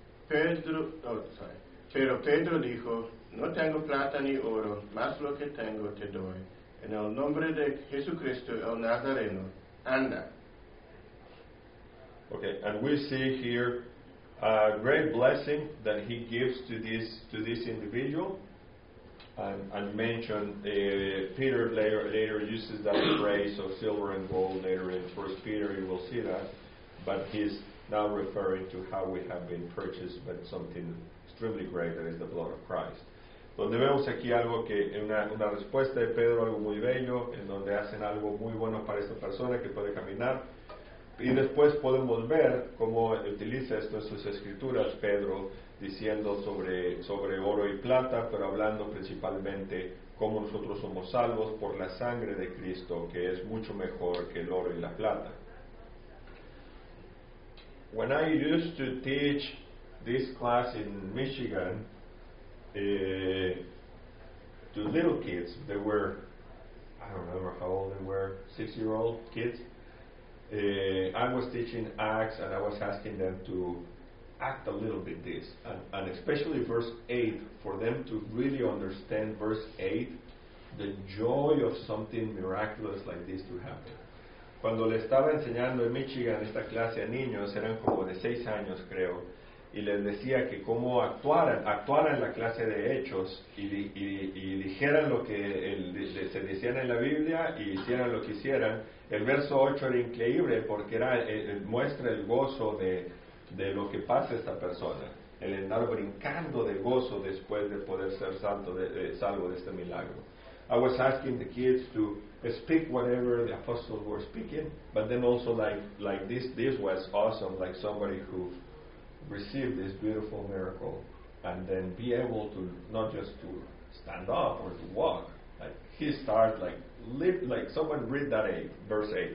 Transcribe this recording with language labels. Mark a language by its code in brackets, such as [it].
[es] Pero Pedro dijo, no tengo plata ni oro, mas lo que tengo te doy. En el nombre de Jesucristo el Nazareno, anda. [en] Okay, and we see here a great blessing that he gives to this individual. And Peter later uses that phrase of silver and gold later in 1 Peter, you will see that. But he's now referring to how we have been purchased by something extremely great, that is the blood of Christ. [es] Donde vemos aquí algo que, una respuesta de Pedro, algo muy bello, en donde hacen algo muy bueno para esta persona que puede caminar. Y después podemos ver cómo utiliza esto en sus escrituras, Pedro, diciendo sobre oro y plata, pero hablando principalmente cómo nosotros somos salvos por la sangre de Cristo, que es mucho mejor que el oro y la plata. [en] When I used to teach this class in Michigan to little kids, they were, I don't remember how old they were, 6-year-old kids, I was teaching Acts and I was asking them to act a little bit this, and especially verse 8, for them to really understand verse 8, the joy of something miraculous like this to happen. [es] Cuando le estaba enseñando en Michigan esta clase a niños, eran como de 6 años creo, y les decía que cómo actuaran en la clase de Hechos y dijeran lo que se decían en la Biblia y hicieran lo que hicieran, el verso 8 era increíble porque muestra el gozo de lo que pasa a esta persona, el andar brincando de gozo después de poder ser salvo de este milagro. [en] I was asking the kids to speak whatever the apostles were speaking, but then also like this was awesome, like somebody who received this beautiful miracle and then be able to not just to stand up or to walk, like he start like lip, like someone read that 8, verse 8.